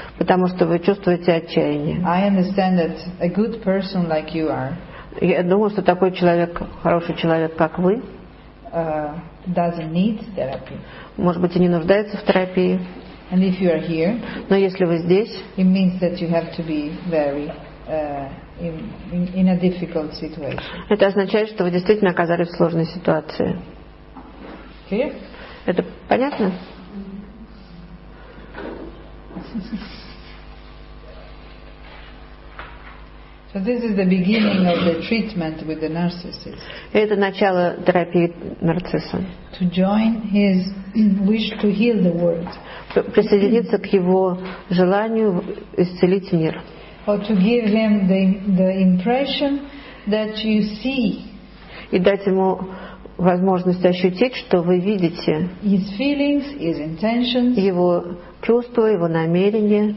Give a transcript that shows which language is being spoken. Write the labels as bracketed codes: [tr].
[ru] Потому что вы чувствуете отчаяние. [en] I understand that a good person like you are. [ru] Я думаю, что такой человек, хороший человек, как вы, [en] doesn't need therapy. [ru] Может быть, и не нуждается в терапии. [en] And if you are here, [ru] но если вы здесь, [en] it means that you have to be very in a difficult situation. [ru] Это означает, что вы действительно оказались в сложной ситуации. [en] Okay? [ru] Это понятно? [en] So this is the beginning of the treatment with the narcissist. [ru] Это начало терапии нарцисса. [en] To join his wish to heal the world. [ru] Присоединиться к его желанию исцелить мир. [en] Or to give him the impression that you see. [ru] И дать ему возможность ощутить, что вы видите. [en] His feelings, his intentions. [ru] Его чувства, его намерения.